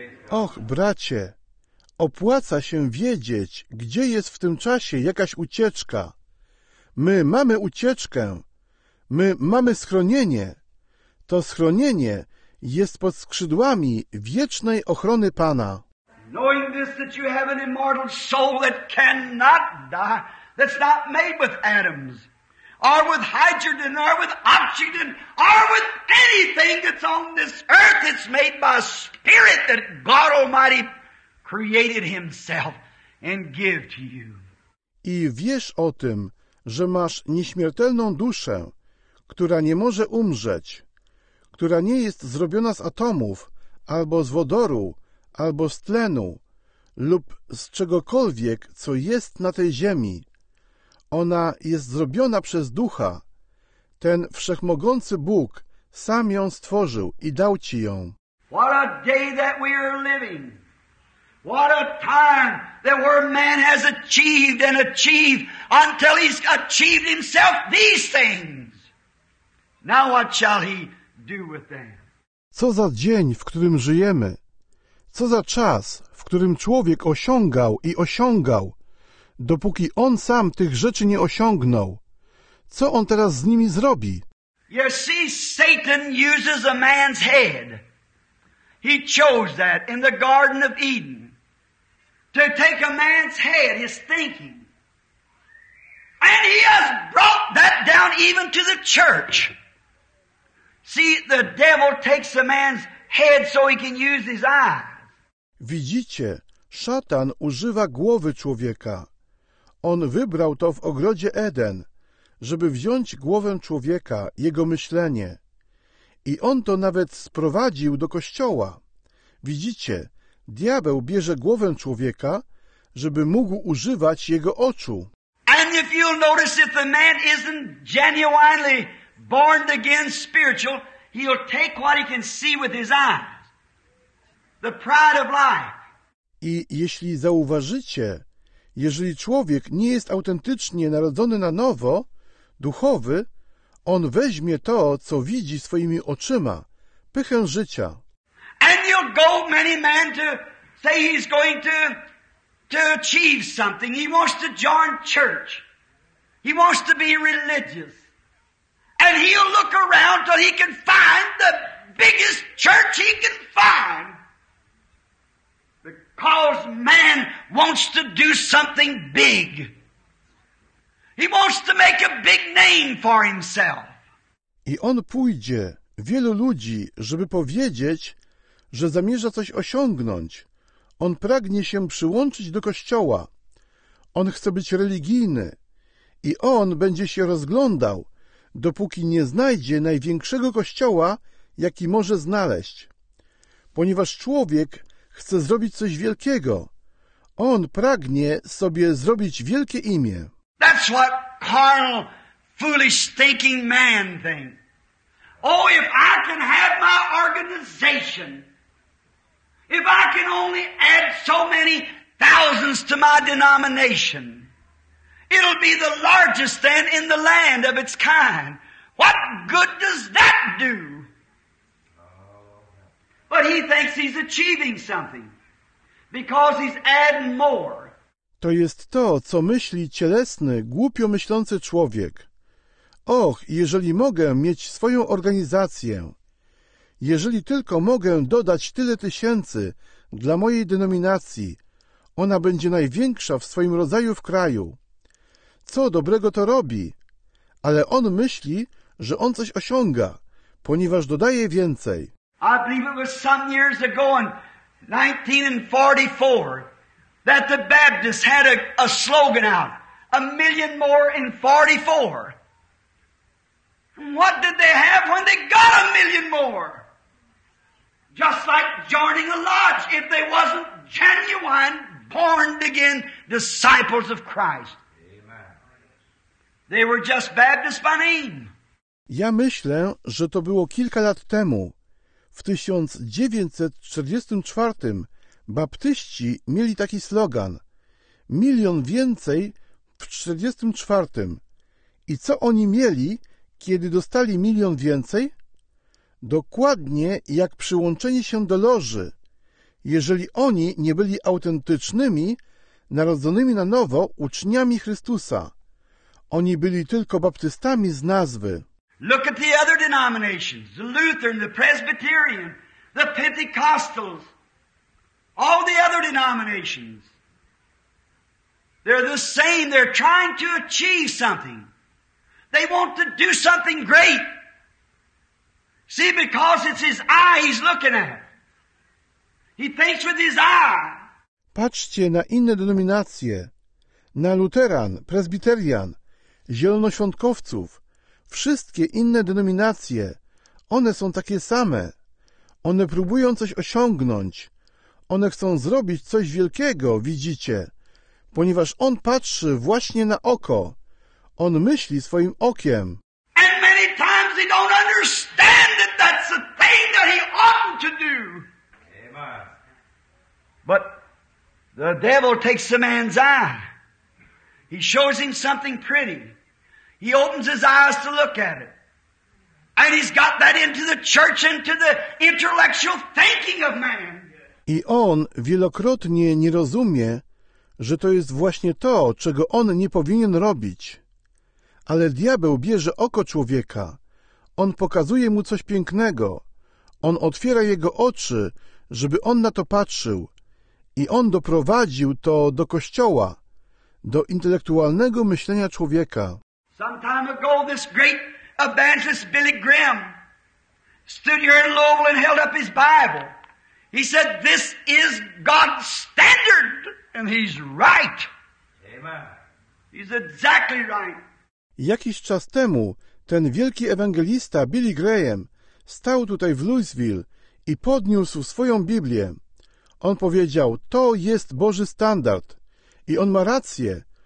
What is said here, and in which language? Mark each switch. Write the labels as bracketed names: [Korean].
[Polish] Och, bracie, opłaca się wiedzieć, gdzie jest w tym czasie jakaś ucieczka. My mamy ucieczkę. My mamy schronienie. To schronienie jest pod skrzydłami wiecznej ochrony Pana. [English] Knowing this, that you have an immortal soul that cannot die, that's not made with atoms, or with hydrogen, or with oxygen, or with anything that's on this earth. It's made by spirit that God Almighty created himself and give to you. [Polish] I wiesz o tym, że masz nieśmiertelną duszę, która nie może umrzeć, która nie jest zrobiona z atomów, albo z wodoru, albo z tlenu, lub z czegokolwiek, co jest na tej ziemi. Ona jest zrobiona przez ducha. Ten wszechmogący Bóg sam ją stworzył i dał ci ją. [English] What a day that we are living. What a time that where man has achieved and achieved until he's achieved himself these things. Now what shall he do with them? [Polish] Co za dzień, w którym żyjemy? Co za czas, w którym człowiek osiągał i osiągał, dopóki on sam tych rzeczy nie osiągnął, co on teraz z nimi zrobi? [English] You see, Satan uses a man's head. He chose that in the Garden of Eden. To take a man's head, his thinking. And he has brought that down even to the church. See, the devil takes a man's head so he can use his eyes. [Polish] Widzicie, szatan używa głowy człowieka. On wybrał to w ogrodzie Eden, żeby wziąć głowę człowieka, jego myślenie. I on to nawet sprowadził do kościoła. Widzicie, diabeł bierze głowę człowieka, żeby mógł używać jego oczu. [English] And if you'll notice, if the man isn't genuinely born again spiritual, he'll take what he can see with his eyes. The pride of life. [Polish] I jeśli zauważycie, jeżeli człowiek nie jest autentycznie narodzony na nowo, duchowy, on weźmie to, co widzi swoimi oczyma, pychę życia. [English] And you'll go many men to say he's going to achieve something. He wants to join church. He wants to be religious. And he'll look around till he can find the biggest church he can find. Because man wants to do something big. He wants to make a big name for himself. [Polish] I on pójdzie wielu ludzi, żeby powiedzieć, że zamierza coś osiągnąć. On pragnie się przyłączyć do kościoła. On chce być religijny. I on będzie się rozglądał, dopóki nie znajdzie największego kościoła, jaki może znaleźć. Ponieważ człowiek chce zrobić coś wielkiego. On pragnie sobie zrobić wielkie imię. [English] That's what carnal, foolish thinking man thinks. Oh, if I can have my organization, if I can only add so many thousands to my denomination, it'll be the largest then in the land of its kind. What good does that do? But he thinks he's achieving something because he's adding more. [Polish] To jest to, co myśli cielesny, głupio myślący człowiek. Och, jeżeli mogę mieć swoją organizację, jeżeli tylko mogę dodać tyle tysięcy dla mojej denominacji, ona będzie największa w swoim rodzaju w kraju. Co dobrego to robi? Ale on myśli, że on coś osiąga, ponieważ dodaje więcej. [English] I believe it was some years ago in 1944 that the Baptists had a slogan out, a million more in 44. What did they have when they got a million more? Just like joining a lodge, if they wasn't genuine, born again disciples of Christ. Amen. They were just Baptists by name. [Polish] Ja myślę, że to było kilka lat temu. W 1944 baptyści mieli taki slogan. Milion więcej w 44. I co oni mieli, kiedy dostali milion więcej? Dokładnie jak przyłączenie się do loży. Jeżeli oni nie byli autentycznymi, narodzonymi na nowo uczniami Chrystusa. Oni byli tylko baptystami z nazwy. [English] Look at the other denominations, the Lutheran, the Presbyterian, the Pentecostals, all the other denominations. They're the same, they're trying to achieve something. They want to do something great. See, because it's his eye he's looking at. He thinks with his eye. [Polish] Patrzcie na inne denominacje, na Luteran, Presbyterian, Zielonoświątkowców. Wszystkie inne denominacje, one są takie same. One próbują coś osiągnąć. One chcą zrobić coś wielkiego, widzicie. Ponieważ on patrzy właśnie na oko. On myśli swoim okiem. [English] And many times he don't understand that that's the thing that he oughtn't to do. Amen. But the devil takes the man's eye. He shows him something pretty. He opens his eyes to look at it. And he's got that into the church, into the intellectual thinking of man. [Polish] I on wielokrotnie nie rozumie, że to jest właśnie to, czego on nie powinien robić. Ale diabeł bierze oko człowieka. On pokazuje mu coś pięknego. On otwiera jego oczy, żeby on na to patrzył. I on doprowadził to do kościoła, do intelektualnego myślenia człowieka. [English] Some time ago, this great evangelist Billy Graham stood here in Louisville and held up his Bible. He said, "This is God's standard," and he's right. Amen. He's exactly right. [Polish] Jakiś czas temu ten wielki ewangelista Billy Graham stał tutaj w Louisville i podniósł swoją Biblię. On powiedział, "To jest Boży standard," i on ma rację.